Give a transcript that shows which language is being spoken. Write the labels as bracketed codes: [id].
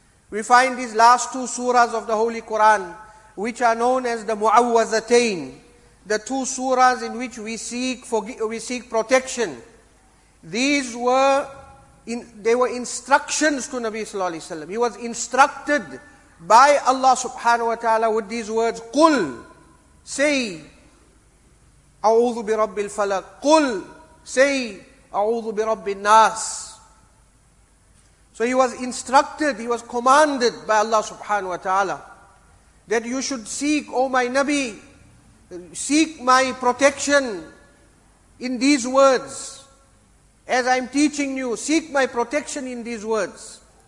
[en] We find these last two surahs of the Holy Quran, which are known as the Mu'awwazatain, the two surahs in which we seek protection. These were they were instructions to Nabi sallallahu alaihi wasallam. He was instructed by Allah subhanahu wa ta'ala with these words: "Qul." [ar] Say, أعوذ برب الفلق. قل, say, أعوذ برب الناس. [en] So he was instructed, he was commanded by Allah subhanahu wa ta'ala that you should seek, O my Nabi, seek my protection in these words. As I'm teaching you, seek my protection in these words.